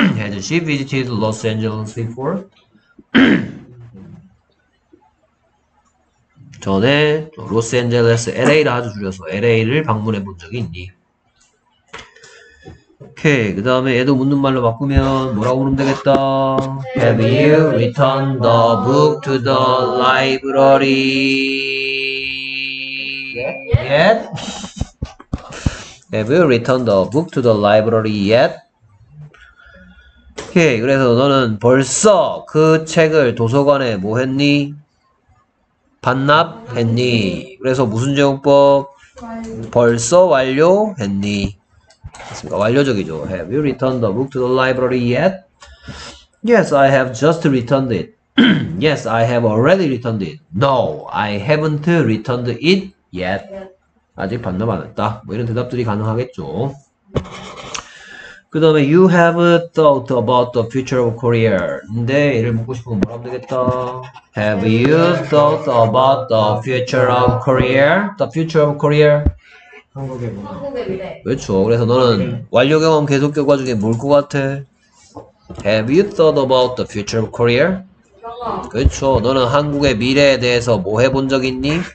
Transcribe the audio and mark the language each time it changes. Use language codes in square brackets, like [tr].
[en] Has she visited Los Angeles before? [ko] 전에 로스앤젤레스 LA라 아주 줄여서 LA를 방문해 본 적이 있니? 오케이. 그 다음에 얘도 묻는 말로 바꾸면 뭐라고 부르면 되겠다? [en] Have you returned the book to the library yet? Have you returned the book to the library yet? [ko] 오케이. 그래서 너는 벌써 그 책을 도서관에 뭐 했니? 반납했니? 그래서 무슨 제목법? 벌써 완료했니? 됐습니까? 완료적이죠. [en] Have you returned the book to the library yet? Yes, I have just returned it. Yes, I have already returned it. No, I haven't returned it yet. [ko] 아직 반납 안 했다. 뭐 이런 대답들이 가능하겠죠. 그 다음에 [en] You have thought about the future of Korea. [ko] 근데 얘를 묻고 싶은 건 뭐라 하면 되겠다. [en] Have you thought about the future of Korea? The future of Korea? [ko] 한국의 문화. 한국의 미래. 그렇죠. 그래서 너는 완료 경험 계속 교과 중에 뭘 것 같아? [en] Have you thought about the future of Korea? [ko] 그렇죠. 너는 한국의 미래에 대해서 뭐 해본 적 있니?